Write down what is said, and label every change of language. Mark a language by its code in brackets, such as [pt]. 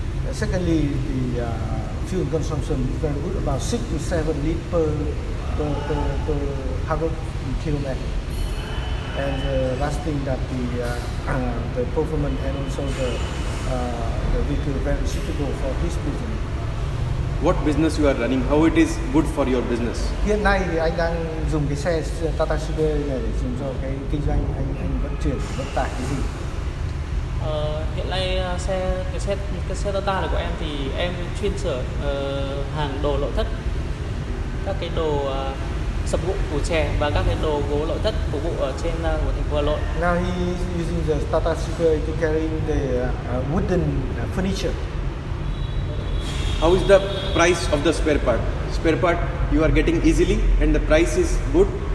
[en] Secondly, the fuel consumption is very good, about 6-7 liters per 100 kilometers. And the last thing that the performance and also the vehicle very suitable for his business. What business you are running? How it is good for your business? [vi] Hiện nay thì anh đang dùng cái xe Tata Super này để dùng cho cái kinh doanh anh vận chuyển vận tải cái gì? Hiện nay cái xe Tata này của em thì em chuyên sửa hàng đồ nội thất, các cái đồ sập vụ của chè và các cái đồ gỗ nội thất phục vụ ở trên của thành phố Hà Nội. [en] Now he is using the Tata Super to carry the wooden furniture. How is the price of the spare part? Spare part you are getting easily and the price is good.